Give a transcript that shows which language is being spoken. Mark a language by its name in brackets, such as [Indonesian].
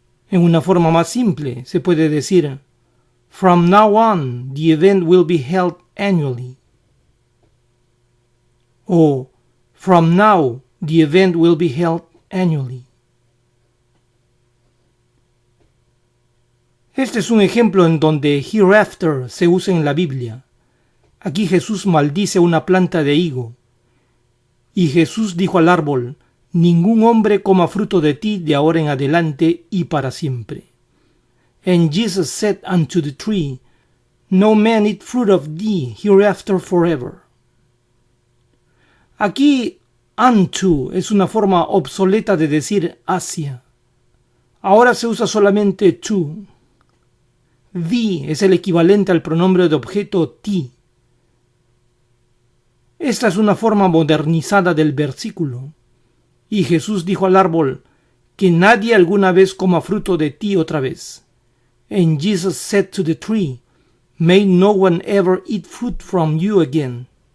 [Spanish] En una forma más simple, se puede decir, [English] from now on, the event will be held annually. O, from now, the event will be held annually. [Spanish] Este es un ejemplo en donde hereafter se usa en la Biblia. Aquí Jesús maldice una planta de higo. Y Jesús dijo al árbol, ningún hombre coma fruto de ti de ahora en adelante y para siempre. [English] And Jesus said unto the tree, no man eat fruit of thee hereafter forever. [Spanish] Aquí, unto es una forma obsoleta de decir hacia. Ahora se usa solamente to. Thee es el equivalente al pronombre de objeto ti. Esta es una forma modernizada del versículo. Y Jesús dijo al árbol, que nadie alguna vez coma fruto de ti otra vez. [English] And Jesus said to the tree, may no one ever eat fruit from you again.